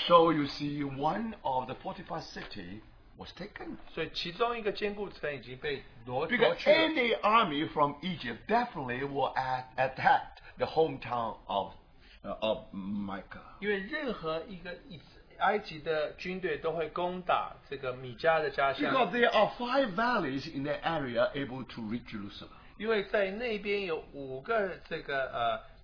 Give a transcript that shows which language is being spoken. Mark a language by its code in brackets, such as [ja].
[en] So you see, one of the fortified city was taken. [zh] 所以其中一个坚固城已经被夺去了。 [en] Because any army from Egypt definitely will attack the hometown of Micah. [zh] 因为任何一个埃及的军队都会攻打这个米迦的家乡。 [en] Because there are five valleys in that area able to reach Jerusalem. [zh] 因为在那边有五个这个